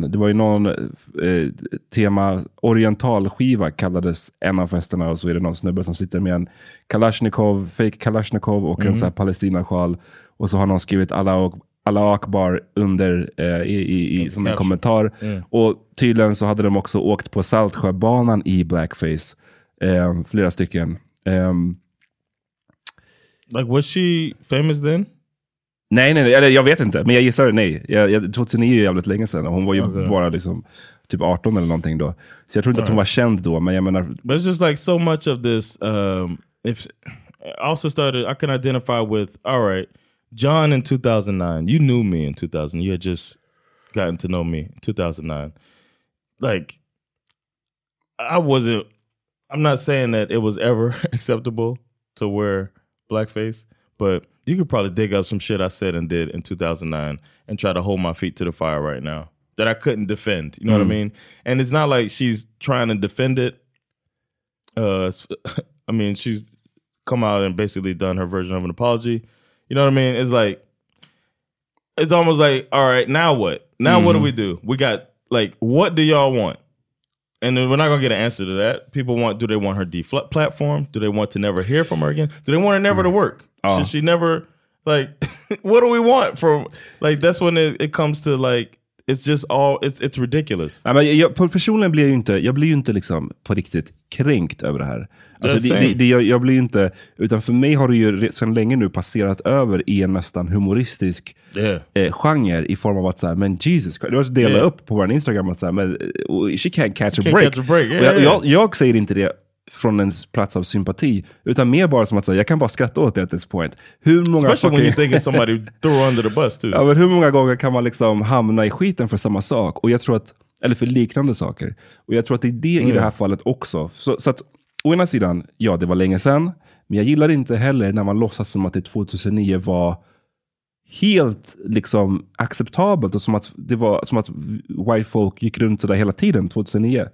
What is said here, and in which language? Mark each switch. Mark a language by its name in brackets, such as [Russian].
[Swedish] Det var ju någon tema orientalskiva kallades en av festerna, och så är det någon snubbe som sitter med en Kalashnikov, fake Kalashnikov, och en sån här Palestinasjal, och så har någon skrivit Allah Akbar under som en kommentar. Och tydligen så hade de också åkt på Saltsjöbanan i blackface, flera stycken. [English] Like, was she famous then? [Swedish] Nej, eller jag vet inte, men jag gissar det, nej. 2009 är ju jävligt länge sedan, och hon var ju bara liksom typ 18 eller någonting då. Så jag tror inte att hon var känd då, men jag menar... [English] But it's just like so much of this, if I also started, I can identify with, all right, John in 2009, you knew me in 2000, you had just gotten to know me in 2009. Like, I wasn't, I'm not saying that it was ever acceptable to wear blackface, but... You could probably dig up some shit I said and did in 2009 and try to hold my feet to the fire right now that I couldn't defend. You know what I mean? And it's not like she's trying to defend it. I mean, she's come out and basically done her version of an apology. You know what I mean? It's like, it's almost like, all right, now what? Now what do we do? We got, like, what do y'all want? And we're not going to get an answer to that. People want, do they want her deplatformed? Do they want to never hear from her again? Do they want her never to work? Should she never, like, what do we want from, like, that's when it comes to, like, it's just all, it's ridiculous. [Swedish] Ja, men personligen blir jag blir ju inte liksom på riktigt kränkt över det här. Alltså, jag blir ju inte, utan för mig har det ju sedan länge nu passerat över i en nästan humoristisk genre i form av att säga, men Jesus, det var att dela upp på vår Instagram att säga, men [English] she can't catch a break. [Swedish] Jag säger inte det från en plats av sympati, utan mer bara som att säga, jag kan bara skratta åt det [English] at this point. [Swedish] Hur många [English] especially when you think of somebody throw under the bus too. [Swedish] Ja, men hur många gånger kan man liksom hamna i skiten för samma sak, och jag tror att, eller för liknande saker, och jag tror att det är det i det här fallet också. Så att, å ena sidan, ja, det var länge sedan, men jag gillar inte heller när man låtsas som att det 2009 var helt liksom acceptabelt, och som att det var som att white folk gick runt så där hela tiden 2009.